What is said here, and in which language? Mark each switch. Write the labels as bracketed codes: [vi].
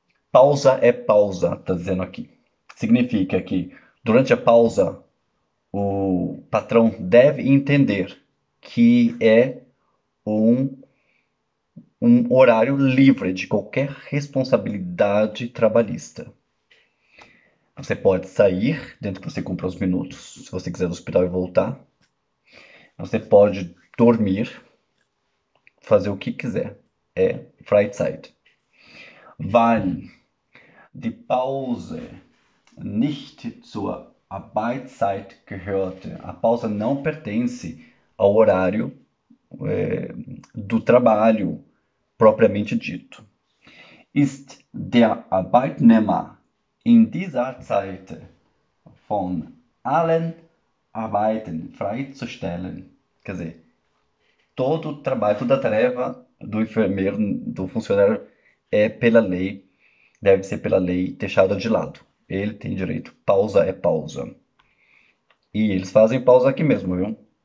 [pt] Pausa é pausa, tá dizendo aqui. Significa que durante a pausa, o patrão deve entender que é um horário livre de qualquer responsabilidade trabalhista. Você pode sair dentro que você cumpra os minutos, se você quiser do hospital e voltar. Você pode dormir, fazer o que quiser. É Freizeit. [de] Vale die Pause nicht zur Arbeitszeit gehörte. [pt] A pausa não pertence ao horário do trabalho propriamente dito. [de] Ist der Arbeitnehmer in dieser Zeit von allen Arbeiten freizustellen? [pt] Quer dizer, todo o trabalho, toda a tarefa do enfermeiro, do funcionário é pela lei, deve ser pela lei deixada de lado. Ele tem direito. Pausa é pausa. E eles fazem pausa aqui mesmo, viu?